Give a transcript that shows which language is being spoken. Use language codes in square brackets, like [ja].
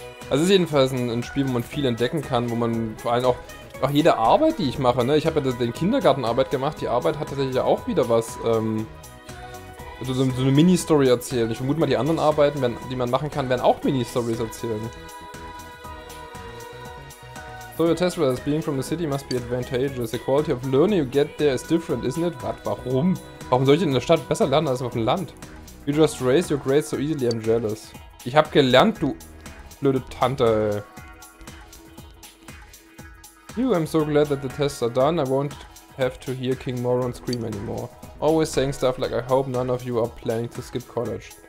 [de] Also es ist jedenfalls ein Spiel, wo man viel entdecken kann, wo man vor allem auch jede Arbeit, die ich mache, ne? Ich habe ja den Kindergartenarbeit gemacht, die Arbeit hat tatsächlich ja auch wieder was, so eine Mini-Story erzählen. Ich vermute mal, die anderen Arbeiten, die man machen kann, werden auch Mini-Stories erzählen. [en] So, your test results, being from the city must be advantageous. The quality of learning you get there is different, isn't it? [de] What? Warum? Warum soll ich in der Stadt besser lernen als auf dem Land? [en] You just raise your grades so easily, I'm jealous. [de] Ich hab gelernt, du blöde Tante, ey. [en] I'm so glad that the tests are done. I won't have to hear King Moron scream anymore. Always saying stuff like, I hope none of you are planning to skip college.